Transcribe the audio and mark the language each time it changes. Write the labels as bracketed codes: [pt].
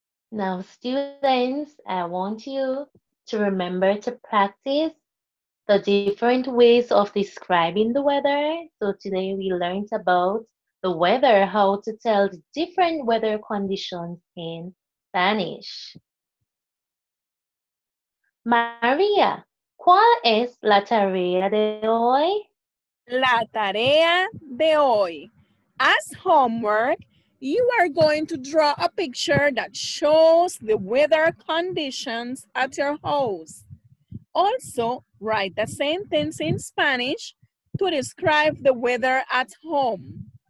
[en] Now, students, I want you to remember to practice the different ways of describing the weather. So today we learned about the weather, how to tell the different weather conditions in Spanish. [es] Maria, ¿cuál es la tarea de hoy? La tarea de hoy. [en] As homework, you are going to draw a picture that shows the weather conditions at your house. Also, write a sentence in Spanish to describe the weather at home.